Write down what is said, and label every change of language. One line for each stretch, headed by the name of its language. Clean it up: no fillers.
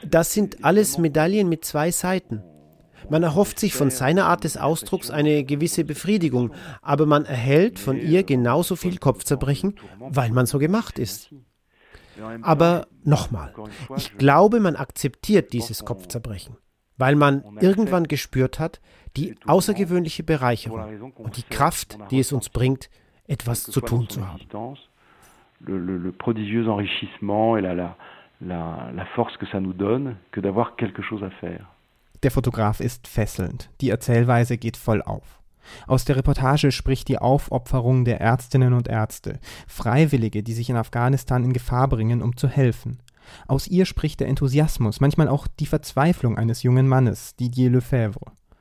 German: Das sind alles Medaillen mit zwei Seiten. Man erhofft sich von seiner Art des Ausdrucks eine gewisse Befriedigung, aber man erhält von ihr genauso viel Kopfzerbrechen, weil man so gemacht ist. Aber nochmal, ich glaube, man akzeptiert dieses Kopfzerbrechen, weil man irgendwann gespürt hat, die außergewöhnliche Bereicherung und die Kraft, die es uns bringt, etwas zu tun zu haben.
French: Le prodigieux enrichissement et la force que ça nous donne, que d'avoir quelque chose à faire.
German: Der Fotograf ist fesselnd. Die Erzählweise geht voll auf. Aus der Reportage spricht die Aufopferung der Ärztinnen und Ärzte, Freiwillige, die sich in Afghanistan in Gefahr bringen, um zu helfen. Aus ihr spricht der Enthusiasmus, manchmal auch die Verzweiflung eines jungen Mannes, Didier Lefebvre.